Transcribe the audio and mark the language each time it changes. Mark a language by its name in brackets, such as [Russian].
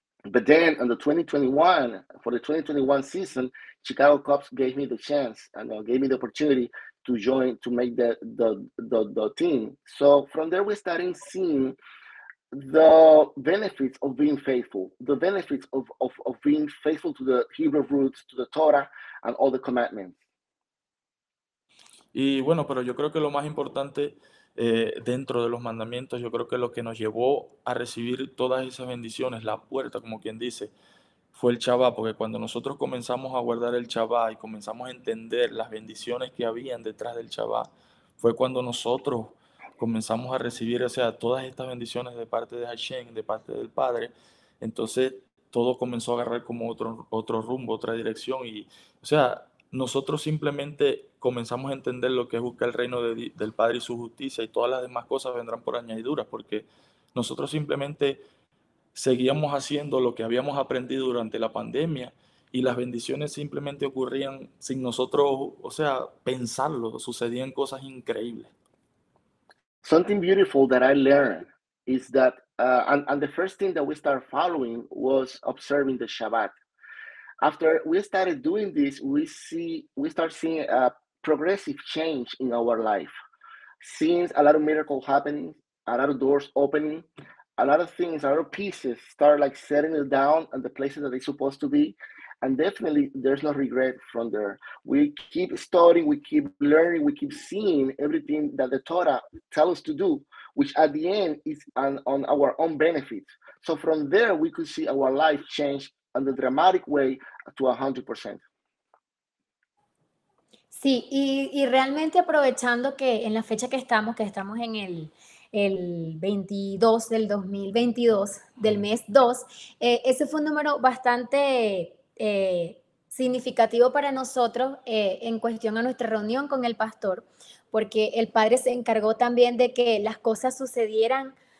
[English] But then on the 2021, for the 2021 season, Chicago Cubs gave me the chance and gave me the opportunity to join, to make the team. So from there, we're starting seeing the benefits of being faithful, the benefits of being faithful to the Hebrew roots, to the Torah, and all the commandments. [Spanish] Y bueno, pero yo creo que lo más importante dentro de los mandamientos, yo creo que lo que nos llevó a recibir todas esas bendiciones, la puerta, como quien dice, fue el Shabbat, porque cuando nosotros comenzamos a guardar el Shabbat y comenzamos a entender las bendiciones que habían detrás del Shabbat, fue cuando nosotros comenzamos a recibir, o sea, todas estas bendiciones de parte de Hashem, de parte del Padre, entonces todo comenzó a agarrar como otro rumbo, otra dirección, y, o sea, nosotros simplemente comenzamos a entender lo que es buscar el reino del Padre y su justicia, y todas las demás cosas vendrán por añadiduras, porque nosotros simplemente seguíamos haciendo lo que habíamos aprendido durante la pandemia, y las bendiciones simplemente ocurrían sin nosotros, o sea, pensarlo, sucedían cosas increíbles. [English] Something beautiful that I learned is that, and the first thing that we started following was observing the Shabbat. After we started doing this, we start seeing a progressive change in our life. Seeing a lot of miracles happening, a lot of doors opening, a lot of things, a lot of pieces start like setting it down and the places that they're supposed to be. And definitely there's no regret from there. We keep studying, we keep learning, we keep seeing everything that the Torah tells us to do, which at the end is on our own benefit. So from there, we could see our life change and the dramatic way to 100%. [Spanish] Sí, y realmente aprovechando que en la fecha que estamos en el 22 del 2022, del mes 2, ese fue un número bastante significativo para nosotros en cuestión a nuestra reunión con el pastor, porque el padre se encargó también de que las cosas sucedieran